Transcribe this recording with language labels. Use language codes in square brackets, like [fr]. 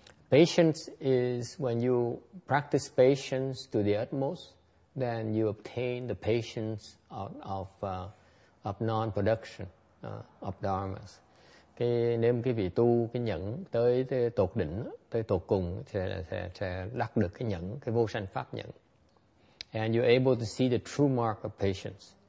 [en] Patience is when you practice patience to the utmost, then you obtain the patience of non-production of dharmas. [vi] Cái nếu cái vị tu cái nhẫn tới tột đỉnh, tới tột cùng sẽ đắc được cái nhẫn, cái vô sanh pháp nhẫn. [en] And you're able to see the true mark of patience.